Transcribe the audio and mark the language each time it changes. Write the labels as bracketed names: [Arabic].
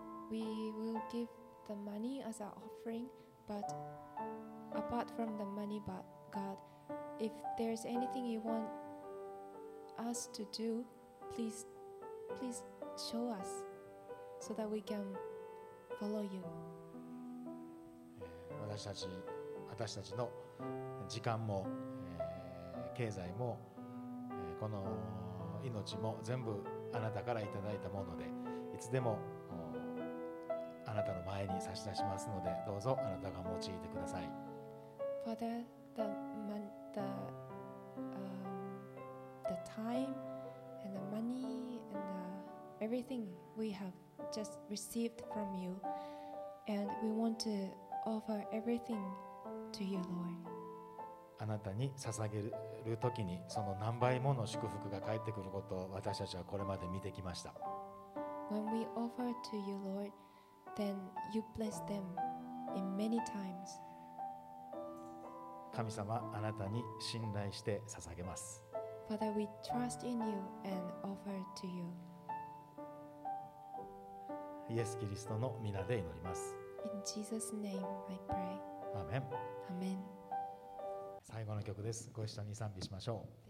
[English] We will give the money as an offering, but apart from the money, but God, if there's anything you want us to do, please show us so that we can follow you. [Japanese] 私たちの時間も、経済も、この命も全部あなたからいただいたもので、いつでもあなたの前に差し出しますので、どうぞあなたが用いてください。 [English] Father, the time and the money and the everything we have just received from you, and we want to offer everything to you, Lord. [Japanese] あなたに捧げる。時にその何倍もの祝福が返ってくることを私たちはこれまで見てきました。 [English] When we offer to you, Lord, then you bless them in many times. [Japanese] 神様、あなたに信頼して捧げます。 [English] Father, we trust in you and offer to you. [Japanese] イエス・キリストの御名で祈ります。 [English] In Jesus' name, I pray. Amen. Amen. [Japanese] 最後の曲です。ご一緒に賛美しましょう。